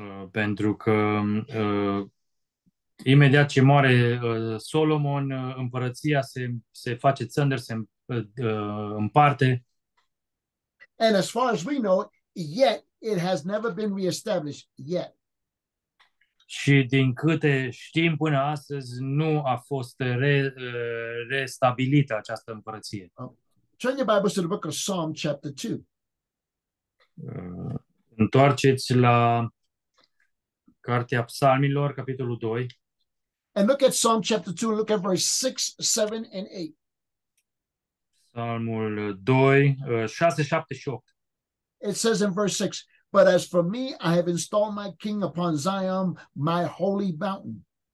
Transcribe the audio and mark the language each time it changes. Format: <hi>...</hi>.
<ro>Pentru că imediat ce moare Solomon, împărăția se face țăndăr, împarte.</ro> <en>And as far as we know, yet it has never been reestablished yet.</en> <ro>Și din câte știm până astăzi, nu a fost restabilită această împărăție.</ro> <en>Turn your Bibles to the book of Psalm chapter 2.</en> <ro>Întoarceți la cartea Psalmilor, capitolul 2.</ro> <en>And look at Psalm chapter 2, look at verse 6, 7, and 8.</en> <ro>Psalmul 2, 6, 7 și 8.</ro> <en>It says in verse 6, "But as for me, I have installed my king upon Zion, my holy mountain."</en>